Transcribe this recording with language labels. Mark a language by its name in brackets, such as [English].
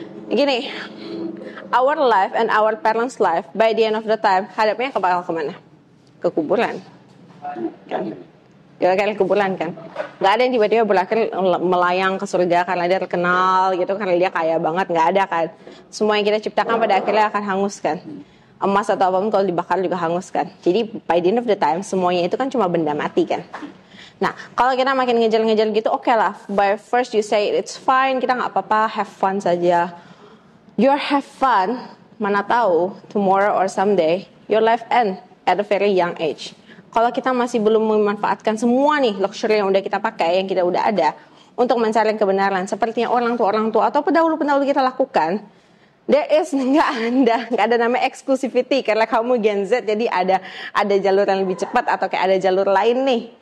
[Indonesian] Gini, [English] our life and our parents' life, by the end of the time, [Indonesian] hadapnya bakal kemana? Ke kuburan. Kan, kayak kuburan kan, nggak ada yang tiba-tiba berakhir melayang ke surga karena dia terkenal gitu, karena dia kaya banget, nggak ada kan. Semua yang kita ciptakan pada akhirnya akan hangus kan, emas atau apapun kalau dibakar juga hangus kan. Jadi [English] by the end of the time [Indonesian] semuanya itu kan cuma benda mati kan. Nah kalau kita makin ngejel-ngejel gitu, oke lah, [English] by first you say it's fine, [Indonesian] kita nggak apa-apa, [English] have fun [Indonesian] saja. [English] You have fun, [Indonesian] mana tahu [English] tomorrow or someday your life end at a very young age. [Indonesian] Kalau kita masih belum memanfaatkan semua nih luxury yang udah kita pakai, yang kita udah ada, untuk mencari kebenaran, sepertinya orang tua atau pendahulu-pendahulu kita lakukan, [English] there is [Indonesian] nggak ada namanya exclusivity, karena kamu Gen Z, jadi ada jalur yang lebih cepat atau kayak ada jalur lain nih.